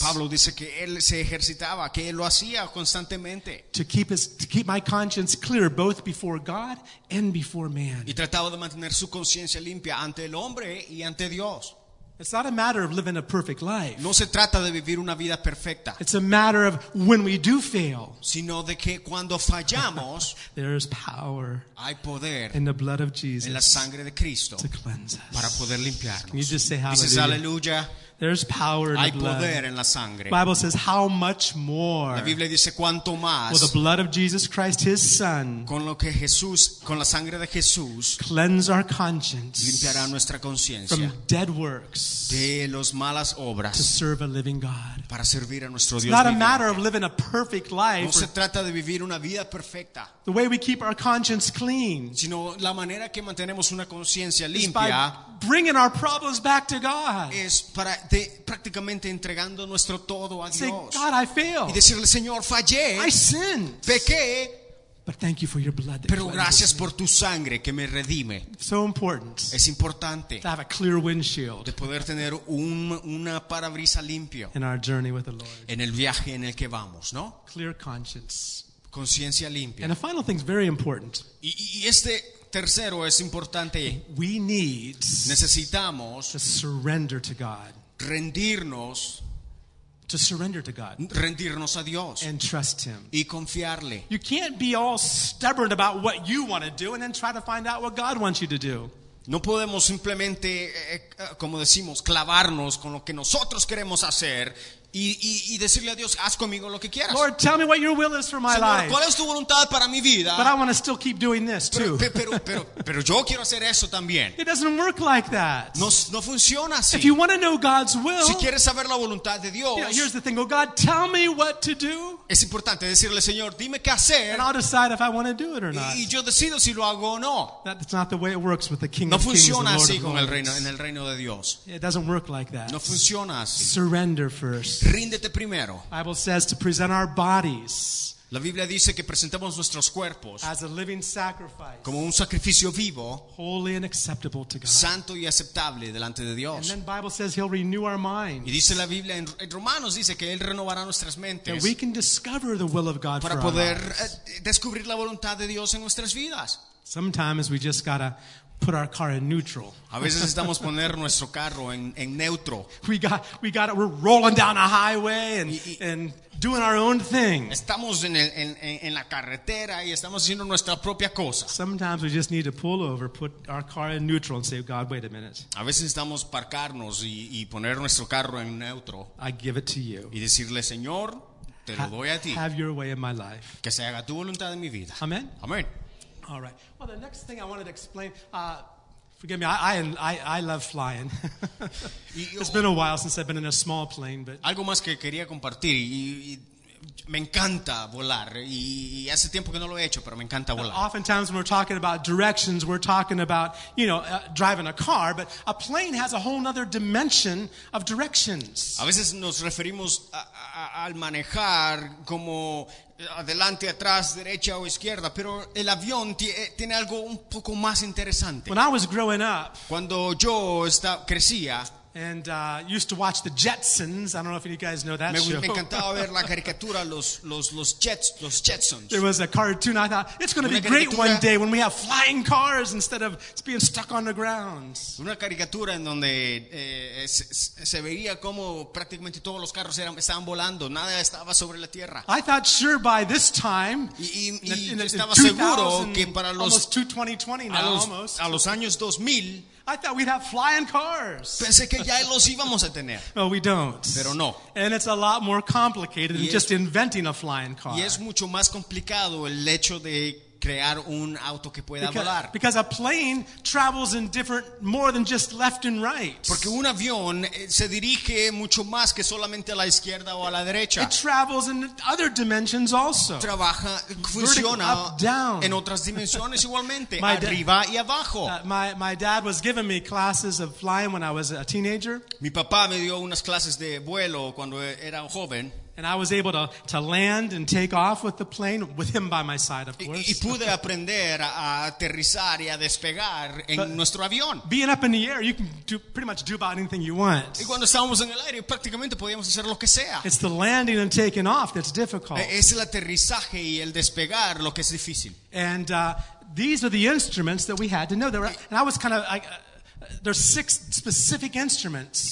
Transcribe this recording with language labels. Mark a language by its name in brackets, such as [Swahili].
[Spanish] Pablo dice que él se ejercitaba, que él lo hacía constantemente. [English] To keep my conscience clear both before God and before man. [Spanish] Y trataba de mantener su conciencia limpia ante el hombre y ante Dios. [English] It's not a matter of living a perfect life. [Spanish] No se trata de vivir una vida perfecta. [English] It's a matter of when we do fail. [Spanish] Sino de que cuando fallamos. [English] There is power. [Spanish] Hay poder. [English] In the blood of Jesus. [Spanish] En la sangre de Cristo. [English] To cleanse us. [Spanish] Para poder limpiarnos. [English] Can you just say hallelujah? [Spanish] Dices aleluya. [English] There's power in [Spanish] Hay [English] the blood. [Spanish] Poder en la sangre. [English] Bible says, "How much more?" [Spanish] La Biblia dice cuánto más. [English] With the blood of Jesus Christ, His Son. [Spanish] Con lo que Jesús, con la sangre de Jesús. [English] Cleanse our conscience. [Spanish] Limpiará nuestra conciencia. [English] From dead works. [Spanish] De los malas obras. [English] To serve a living God. [Spanish] Para servir a nuestro [English] it's [Spanish] Dios. [English] It's not [Spanish] viviente. [English] A matter of living a perfect life. [Spanish] No se trata de vivir una vida perfecta. [English] The way we keep our conscience clean. [Spanish] Sino la manera que mantenemos una conciencia limpia. [English] Is by bringing our problems back to God. [Spanish] Es para de prácticamente entregando nuestro todo a Dios. [English] Say, God, I fail. [Spanish] Y decirle, Señor, fallé. [English] I sinned. [Spanish] Pequé. [English] But thank you for your blood. [Spanish] Pero gracias por tu sangre que me redime. [English] So important. [Spanish] Es importante. [English] To have a clear windshield. [Spanish] De poder tener una parabrisa limpio. [English] In our journey with the Lord. [Spanish] En el viaje en el que vamos, ¿no? [English] Clear conscience. [Spanish] Conciencia limpia. [English] And the final thing is very important. [Spanish] Y este tercero es importante. [English] We need. [Spanish] Necesitamos. [English] To surrender to God. [Spanish] Rendirnos. [English] To surrender to God. [Spanish] Rendirnos a Dios. [English] And trust Him. [Spanish] Y confiarle. [English] You can't be all stubborn about what you want to do and then try to find out what God wants you to do. [Spanish] No podemos simplemente, como decimos, clavarnos con lo que nosotros queremos hacer y decirle a Dios, haz conmigo lo que quieras. [English] Lord, tell me what your will is for my [Spanish] Señor, [English] life. [Spanish] ¿Cuál es tu voluntad para mi vida? [English] But I want to still keep doing this too. [Spanish] Pero yo quiero hacer eso también. [English] It doesn't work like that. [Spanish] No funciona así. [English] If you want to know God's will, [Spanish] si quieres saber la voluntad de Dios, [English] you know, here's the thing. Oh God, tell me what to do. [Spanish] Es importante decirle, Señor, dime qué hacer. [English] And I'll decide if I want to do it or not. [Spanish] Y yo decido si lo hago o no. [English] That's not the way it works with the King [Spanish] no [English] of Kings, the Lord of Lords. [Spanish] No funciona así con el reino de Dios. [English] It doesn't work like that. [Spanish] No funciona así. [English] Surrender first. [Spanish] Ríndete primero. [English] Bible says to present our bodies. [Spanish] La Biblia dice que presentemos nuestros cuerpos [English] as a living sacrifice, [Spanish] como un sacrificio vivo, [English] holy and acceptable to God. [Spanish] Santo y aceptable delante de Dios. [English] And then Bible says he'll renew our minds. [Spanish] Y dice la Biblia en Romanos dice que él renovará nuestras mentes. [English] That we can discover the will of God [Spanish] para poder descubrir la voluntad de Dios en nuestras vidas. [English] Sometimes we just gotta put our car in neutral. [Spanish] A veces estamos poner nuestro carro en neutro. [English] We got it. We're rolling down a highway and doing our own thing. [Spanish] Estamos en la carretera y estamos haciendo nuestra propia cosa. [English] Sometimes we just need to pull over, put our car in neutral, and say, God, wait a minute. [Spanish] A veces estamos parcarnos y poner nuestro carro en neutro. [English] I give it to you. [Spanish] Y decirle, Señor, te lo doy a ti. [English] Have your way in my life. [Spanish] Que se haga tu voluntad en mi vida. [English] Amen. [Spanish] Amen. [English] All right. Well, the next thing I wanted to explain. Forgive me. I love flying. It's been a while since I've been in a small plane, but [Spanish] algo más que quería compartir. Me encanta volar y hace tiempo que no lo he hecho, pero me encanta volar. [English] Oftentimes when we're talking about directions, we're talking about, you know, driving a car, but a plane has a whole other dimension of directions. [Spanish] A veces nos referimos al manejar como adelante, atrás, derecha o izquierda, pero el avión tiene algo un poco más interesante. [English] When I was growing up, [Spanish] cuando yo crecía, [English] and used to watch the Jetsons. I don't know if any of you guys know that [Spanish] me [English] show. [Spanish] Me encantaba ver la caricatura los Jetsons. [English] There was a cartoon. I thought it's going to be great one day when we have flying cars instead of being stuck on the ground. [Spanish] Una caricatura en donde se veía como prácticamente todos los carros estaban volando. Nada estaba sobre la tierra. [English] I thought sure by this time. [Spanish] Y estaba seguro que para los [English] almost 2020 now almost [Spanish] a los años 2000. [English] I thought we'd have flying cars. [Spanish] Pensé que ya los íbamos a tener. [English] No, we don't. [Spanish] Pero no. [English] And it's a lot more complicated than just inventing a flying car. [Spanish] Y es mucho más complicado el hecho de crear un auto que pueda volar. [English] Because a plane travels in different more than just left and right. [Spanish] Porque un avión se dirige mucho más que solamente a la izquierda o a la derecha. [English] It travels in other dimensions also. [Spanish] Trabaja, funciona [English] up, down. [Spanish] En otras dimensiones igualmente, arriba y abajo. [English] My dad was giving me classes of flying when I was a teenager. [Spanish] Mi papá me dio unas clases de vuelo cuando era joven. [English] And I was able to land and take off with the plane with him by my side, of course. [Spanish] Y pude aprender a aterrizar y a despegar en nuestro avión. [English] Being up in the air, you can do pretty much do about anything you want. [Spanish] Y cuando estábamos en el aire, prácticamente podíamos hacer lo que sea. [English] It's the landing and taking off that's difficult. [Spanish] Es el aterrizaje y el despegar lo que es difícil. [English] And these are the instruments that we had to know. And I was kind of like, there's six specific instruments.